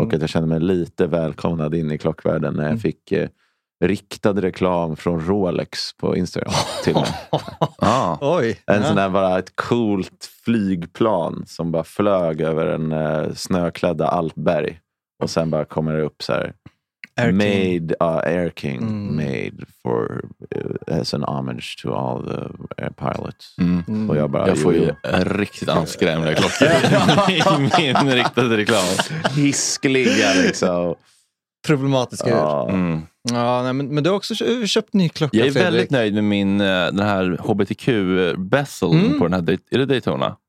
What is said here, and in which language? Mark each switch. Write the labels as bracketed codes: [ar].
[sv] Och att jag kände mig lite välkomnad in i klockvärlden när jag fick... riktad reklam från Rolex på Instagram till mig. Ah. Oj, en sån där bara ett coolt flygplan som bara flög över en snöklädd Alpberg och sen bara kommer det upp så här Air King. [en] Made Air King made for as an homage to all the air pilots. Mm. [sv] Och jag bara jag får ju en riktigt anskrämliga klockor i min riktade reklam. Hiskliga liksom. Problematiska ja. Ja, nej, men du har också köpt ny klocka, jag är Fredrik. Väldigt nöjd med min den här HBTQ bezel på den här är det Daytona?